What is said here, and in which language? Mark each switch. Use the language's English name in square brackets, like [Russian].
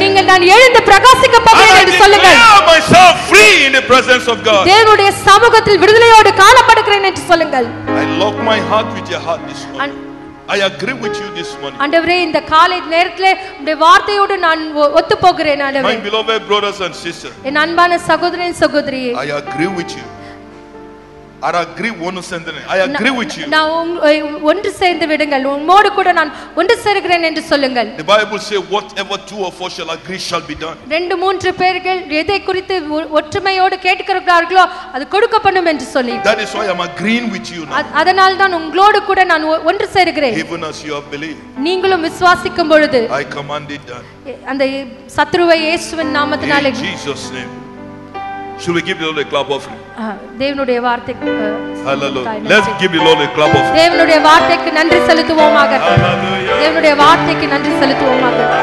[Tamil] நான் எழுந்து பிரகாசிக்க போகிறேன் என்று சொல்லுங்கள். [English] I am myself free in the presence of God. [Tamil] தேவனுடைய சமூகத்தில் விடுதலையோடு காணப்படுகிறேன் என்று சொல்லுங்கள். [English] I lock my heart with your heart this morning. I agree with you this morning. [Tamil] ஆண்டவரே, இந்த காலை நேரத்திலே உம்முடைய வார்த்தையோடு நான் ஒத்து போகிறேன். ஆண்டவரே, [English] my beloved brothers and sisters. [Tamil] என் அன்பான சகோதரன் சகோதரியே, [English] I agree with you. I agree with you. [Tamil] நான் ஒன்று சேர்ந்து விடுங்கள். உம்மோடு கூட நான் ஒன்று சேருகிறேன் என்று சொல்லுங்கள். [English] The Bible says whatever two or four shall agree shall be done. [Tamil] ரெண்டு மூன்று பேர்கள் எதை குறித்து ஒற்றுமையோடு கேட்கிறார்களோ அது கொடுக்கப்படும் என்று சொல்லி. [English] That is why I am agreeing with you now. [Tamil] அதனால் தான் உங்களோடு கூட நான் ஒன்று சேருகிறேன். [English] Even as you have believed. [Tamil] நீங்களும் விசுவாசிக்கும் பொழுது. [English] I command it done. [Tamil] அந்த சத்துருவை இயேசுவின் நாமத்தினாலே. [English] Jesus name. Should we give the Lord a clap of hands? [Tamil] தேவனுடைய வார்த்தைக்கு [English] Hallelujah. Let's give the Lord a clap of hands. [Tamil] தேவனுடைய வார்த்தைக்கு நன்றி செலுத்துவோமாக. [English] Hallelujah. [Tamil] தேவனுடைய வார்த்தைக்கு நன்றி செலுத்துவோமாக.